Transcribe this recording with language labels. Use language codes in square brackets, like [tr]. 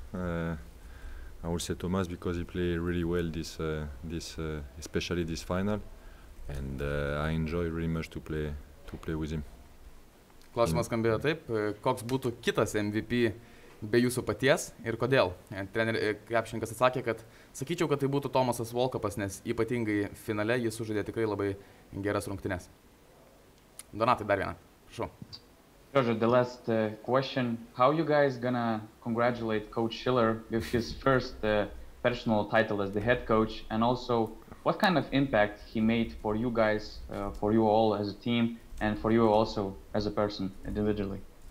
[en] I would say Thomas because he played really well this especially this final, and I enjoy really much to play with him. [lt] Klausimas skambėjo taip. Koks būtų kitas MVP be jūsų paties ir kodėl? Krepšininkas atsakė, kad sakyčiau, kad tai būtų Tomasas Volkapas, nes ypatingai finale jis sužaidė tikrai labai geras rungtynes. Donatai, dar vieną. Prašau. [en] Giorgio, the last question. How you guys gonna congratulate Coach Schiller with his first personal title as the head coach and also what kind of impact he made for you guys, for you all as a team and for you also as a person individually?